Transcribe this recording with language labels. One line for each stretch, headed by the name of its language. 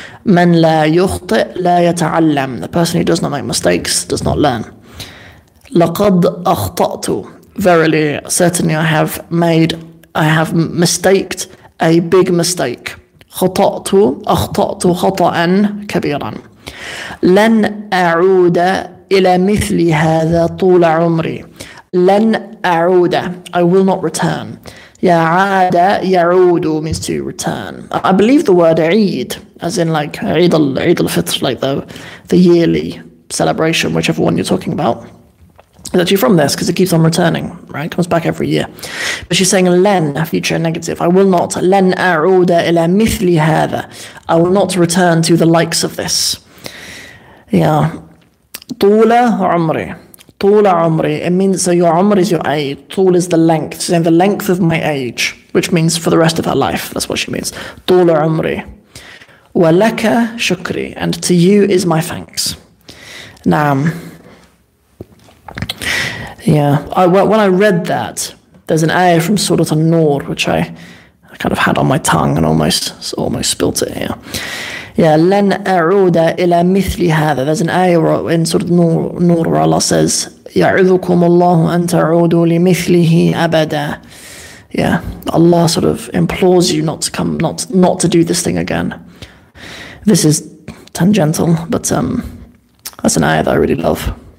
Arabic: من لا يخطئ لا يتعلم.
English: The person who does not make mistakes does not learn.
Arabic: لقد أخطأت.
English: Verily, certainly I have mistaked a big mistake.
Arabic: خطأت, أخطأت خطأ كبيرا. لن أعود إلى مثل هذا طول عمري. لن أعود.
English: I will not return.
Arabic: يعاد يعود
English: means to return. I believe the word عيد, as in like
Arabic: عيد الفطر,
English: like the yearly celebration, whichever one you're talking about, is actually from this, because it keeps on returning, right? It comes back every year. But she's saying لن, future negative. I will not.
Arabic: لن أعود إلى مثل هذا.
English: I will not return to the likes of this.
Arabic: Yeah. طول عمري. طول عمري.
English: It means, so your عمر is your age. طول is the length. Saying the length of my age, which means for the rest of her life. That's what she means.
Arabic: طول عمري. ولك شكري.
English: And to you is my thanks. Naam. Yeah. When I read that, there's an ayah from Surah An-Nur, which I kind of had on my tongue and almost spilt it here.
Arabic: Yeah, لن أعود إلى مثل هذا.
English: There's an ayah in Surah Nur where Allah says,
Arabic: يعذكم الله أن تعودوا لمثله أبدا.
English: Yeah, Allah sort of implores you not to come, not to do this thing again. This is tangential, but that's an ayah that I really love.